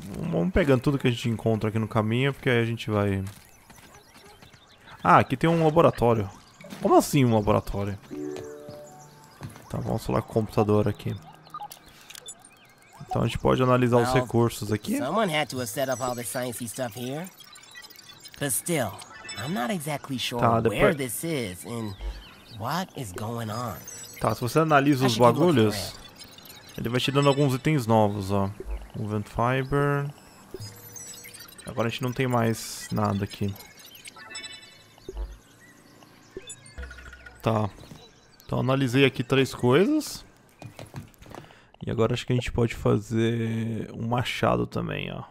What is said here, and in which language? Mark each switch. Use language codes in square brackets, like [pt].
[pt] Vamos pegando tudo que a gente encontra aqui no caminho, porque aí a gente vai... Ah, aqui tem um laboratório. Como assim um laboratório? Tá, vamos falar com o computador aqui. Então a gente pode analisar os recursos aqui. [en] Someone had to have set up all the sciencey stuff here. But still, I'm not exactly sure where this is and what is going on. [pt] Tá, se você analisa os bagulhos, ele vai te dando alguns itens novos, ó. Movement fiber. Agora a gente não tem mais nada aqui. Tá. Então analisei aqui três coisas. E agora acho que a gente pode fazer um machado também, ó.